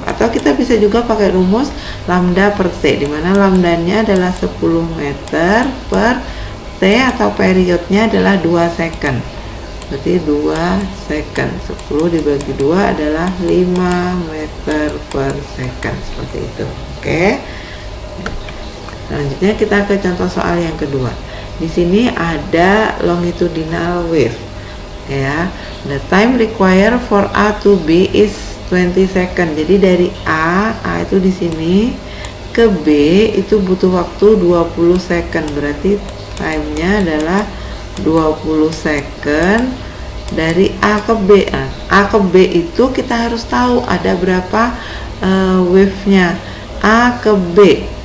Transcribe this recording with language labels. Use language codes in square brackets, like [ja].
[id] Atau kita bisa juga pakai rumus lambda per T, di mana lambdanya adalah 10 meter per T, atau periodnya adalah 2 second. Berarti 2 second, 10 dibagi 2 adalah 5 meter per second, seperti itu. Oke. Okay. Selanjutnya kita ke contoh soal yang kedua. Di sini ada longitudinal wave, ya. [en] The time required for A to B is 20 second. [id] Jadi dari A itu di sini ke B itu butuh waktu 20 second. Berarti timenya adalah 20 second dari A ke B. A ke B itu kita harus tahu ada berapa wave-nya A ke B.